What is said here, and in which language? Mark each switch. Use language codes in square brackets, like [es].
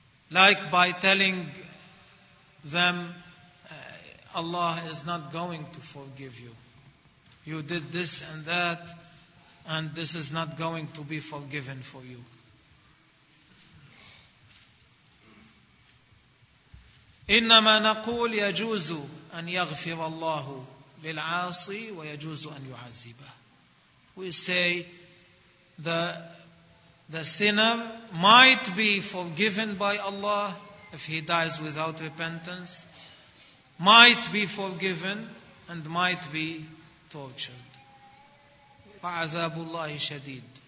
[en] Like by telling them, Allah is not going to forgive you. You did this and that, and this is not going to be forgiven for you. [ar] إنما نقول يجوز أن يغفر الله للعاصي ويجوز أن يعذبه. [en] We say the sinner might be forgiven by Allah if he dies without repentance, might be forgiven and might be tortured. [ar] وعذاب الله شديد.